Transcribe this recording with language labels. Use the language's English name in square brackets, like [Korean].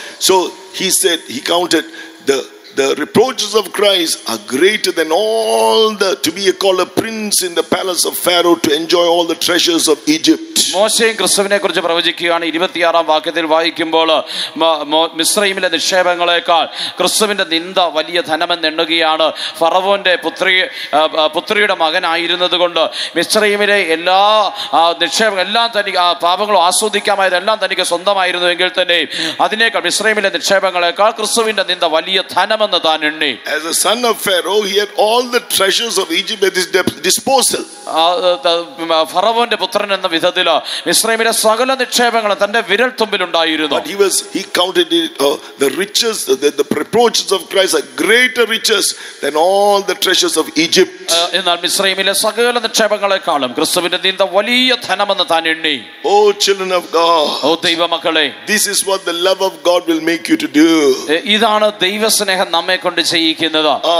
[English] So he said, he counted the reproaches of Christ are greater than all the to be called a prince in the palace of Pharaoh, to enjoy all the treasures of Egypt. [Malayalam] മോശെ ക്രിസ്തുവിനെ കുറിച്ച് പ്രവചിക്കുകയാണ്. 26-ാം വാക്യത്തിൽ വായിക്കുമ്പോൾ മിസ്രയീമിലെ നിക്ഷേപങ്ങളെക്കാൾ ക്രിസ്തുവിന്റെ നിന്ദ വലിയ ധനമെന്ന് എണ്ണുകയാണ്. ഫറവോന്റെ പുത്രിയുടെ മകനായിരുന്നത് കൊണ്ട് മിസ്രയീമിലെ എല്ലാ നിക്ഷേപങ്ങളെല്ലാം തനിക്ക് പാപങ്ങളും ആസ്വദിക്കാമായതെല്ലാം തനിക്ക് സ്വന്തമായിരുന്നു എങ്കിൽ തന്നെയും അതിനേക്കാൾ മിസ്രയീമിലെ നിക്ഷേപങ്ങളെക്കാൾ ക്രിസ്തുവിന്റെ നിന്ദ വലിയ ധനമെന്ന് താൻ എണ്ണി. [English] As a son of Pharaoh, he had all the treasures of Egypt at his disposal. [Malayalam] ഫറവോന്റെ പുത്രൻ എന്ന വിധത്തിൽ മിസ്രയീമിലെ സകല നിക്ഷേപങ്ങളും തന്റെ വിരൽ തുമ്പിൽ ഉണ്ടായിരുന്നു. [English] But he counted the riches, the reproaches of Christ are greater riches than all the treasures of Egypt. [Malayalam] എന്നാൽ മിസ്രയീമിലെ സകല നിക്ഷേപങ്ങളെക്കാളും ക്രിസ്തുവിന്റെ നിന്ദ വലിയ ധനമെന്ന് താൻ എണ്ണി. [English] Oh children of God, [Malayalam] ഓ ദൈവമക്കളെ, [English] this is what the love of God will make you to do. [Malayalam] ഇതാണ് ദൈവസ്നേഹം നമ്മെ കൊണ്ട് ചെയ്യിക്കുന്നത്.